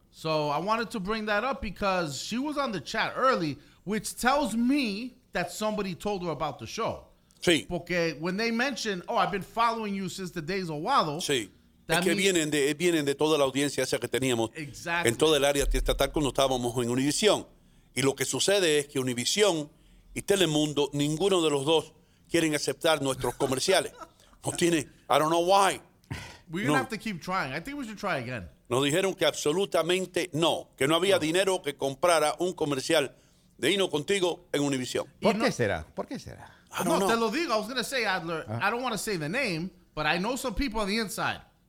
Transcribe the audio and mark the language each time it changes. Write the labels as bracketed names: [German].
[English] So I wanted to bring that up because she was on the chat early, which tells me that somebody told her about the show. [Spanish] Sí. [English] Porque when they mention, oh, I've been following you since the days of Guado. [Spanish] Sí. Es que vienen de toda la audiencia esa que teníamos [English] exactly. [Spanish] En toda el área estatal cuando estábamos en Univisión. Y lo que sucede es que Univisión y Telemundo, ninguno de los dos quieren aceptar nuestros comerciales. No tiene, [English] I don't know why. We're going to have to keep trying. I think we should try again. [Spanish] Nos dijeron que absolutamente no, que no había dinero que comprara un comercial de Hino Contigo en Univisión. ¿Por qué será? No, te lo digo. [English] I was going to say, Adler, I don't want to say the name, but I know some people on the inside.